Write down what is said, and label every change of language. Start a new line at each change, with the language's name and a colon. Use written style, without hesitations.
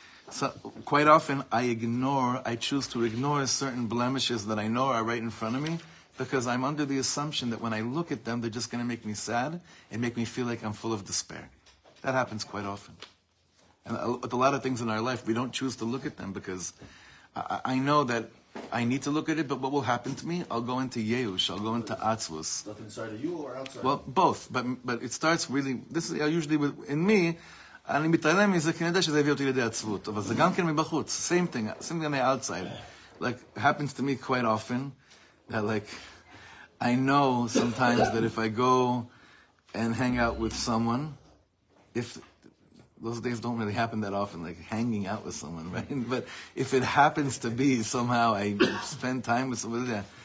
English: So quite often I choose to ignore certain blemishes that I know are right in front of me, because I'm under the assumption that when I look at them, they're just going to make me sad and make me feel like I'm full of despair. That happens quite often. And with a lot of things in our life, we don't choose to look at them because I know that I need to look at it, but what will happen to me? I'll go into Yeush, I'll go into Atzvus. Stuff inside of you or outside? Well, both, but it starts really, this is usually with, in me,
Hebrew: אני מתעלם מזה כי אני יודע שזה הביא אותי לידי עצבות, אבל זה גם כן מבחוץ.
English: Same thing on the outside. Like, happens to me quite often, that like, I know sometimes that if I go and hang out with someone, if, those days don't really happen that often, like hanging out with someone, right? But if it happens to be somehow I spend time with someone, yeah.